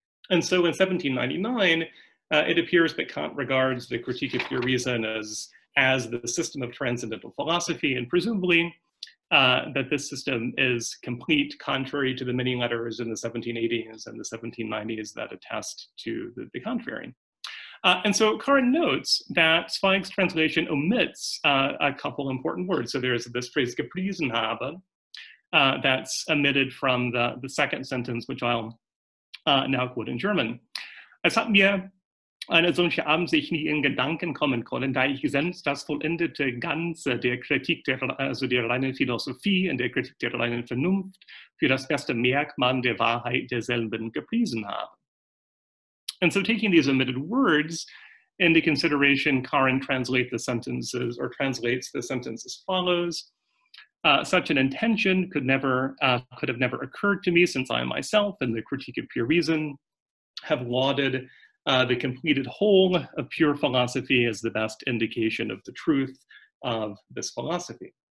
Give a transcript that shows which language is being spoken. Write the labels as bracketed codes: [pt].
[en] And so in 1799, it appears that Kant regards the Critique of Pure Reason as the system of transcendental philosophy, and presumably that this system is complete, contrary to the many letters in the 1780s and the 1790s that attest to the contrary. And so Karin notes that Zweig's translation omits a couple important words. So there's this phrase, Gepriesen habe, that's omitted from the second sentence, which I'll now quote in German. [de] Es hat mir eine solche Absicht nie in Gedanken kommen können, da ich selbst das vollendete Ganze der Kritik der reinen Philosophie und der Kritik der reinen Vernunft für das beste Merkmal der Wahrheit derselben gepriesen habe. [en] And so taking these omitted words into consideration, Karin translates the sentence as follows. Such an intention could have never occurred to me since I myself in the Critique of Pure Reason have lauded the completed whole of pure philosophy as the best indication of the truth of this philosophy.